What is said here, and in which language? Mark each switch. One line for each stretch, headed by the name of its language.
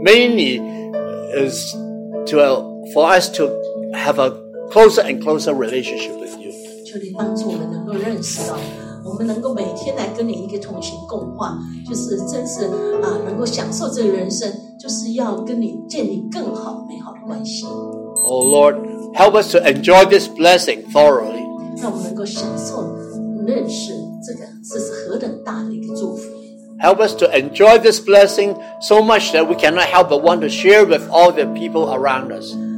English: Mainly is for us to have a closer and closer relationship with you.
Chinese: 求你帮助我们能够认识到，我们能够每天来跟你一个同行共话，就是真是能够享受这个人生，就是要跟你建立更好美好的关系。
English: Oh Lord. Help us to enjoy this blessing thoroughly. Help us to enjoy this blessing so much that we cannot help but want to share with all the people around us.